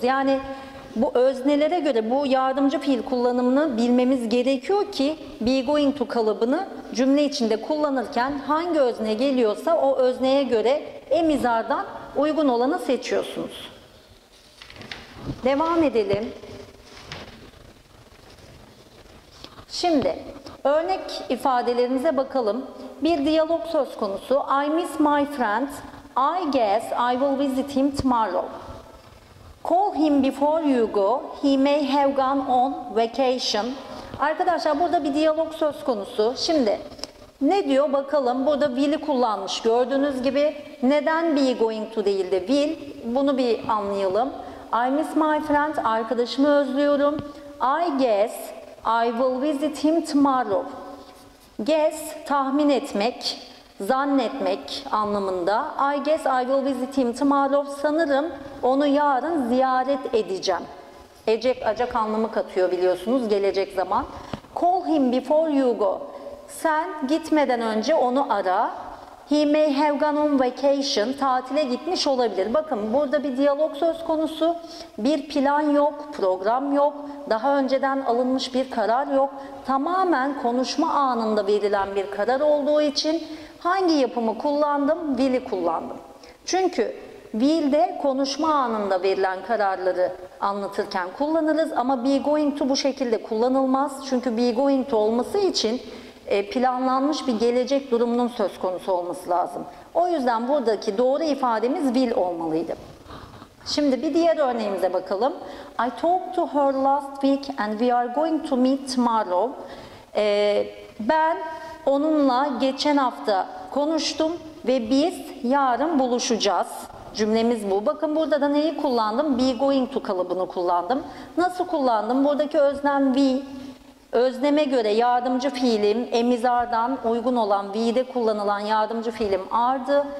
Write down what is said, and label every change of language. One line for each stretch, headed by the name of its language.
Turkish: Yani bu öznelere göre bu yardımcı fiil kullanımını bilmemiz gerekiyor ki be going to kalıbını cümle içinde kullanırken hangi özne geliyorsa o özneye göre am is are'dan uygun olanı seçiyorsunuz. Devam edelim. Şimdi örnek ifadelerimize bakalım. Bir diyalog söz konusu.
English: I miss my friend. I guess I will visit him tomorrow. Call him before you go. He may have gone on vacation.
Turkish: Arkadaşlar burada bir diyalog söz konusu. Şimdi ne diyor bakalım. Burada will'i kullanmış gördüğünüz gibi. Neden be going to değil de will? Bunu bir anlayalım.
English: I miss my friend.
Turkish: Arkadaşımı özlüyorum.
English: I guess I will visit him tomorrow.
Turkish: Guess, tahmin etmek, zannetmek anlamında.
English: I guess I will visit him tomorrow.
Turkish: Sanırım onu yarın ziyaret edeceğim. Ecek, acak anlamı katıyor biliyorsunuz gelecek zaman.
English: Call him before you go.
Turkish: Sen gitmeden önce onu ara.
English: He may have gone on vacation.
Turkish: Tatile gitmiş olabilir. Bakın burada bir diyalog söz konusu. Bir plan yok, program yok. Daha önceden alınmış bir karar yok. Tamamen konuşma anında verilen bir karar olduğu için hangi yapımı kullandım? Will'i kullandım. Çünkü will'de konuşma anında verilen kararları anlatırken kullanırız. Ama be going to bu şekilde kullanılmaz. Çünkü be going to olması için planlanmış bir gelecek durumunun söz konusu olması lazım. O yüzden buradaki doğru ifademiz will olmalıydı. Şimdi bir diğer örneğimize bakalım.
English: I talked to her last week and we are going to meet tomorrow.
Turkish: Ben onunla geçen hafta konuştum ve biz yarın buluşacağız. Cümlemiz bu. Bakın burada da neyi kullandım? Be going to kalıbını kullandım. Nasıl kullandım? Buradaki öznem we. Özneme göre yardımcı fiilim, emizardan uygun olan we'de kullanılan yardımcı fiilim are'dı.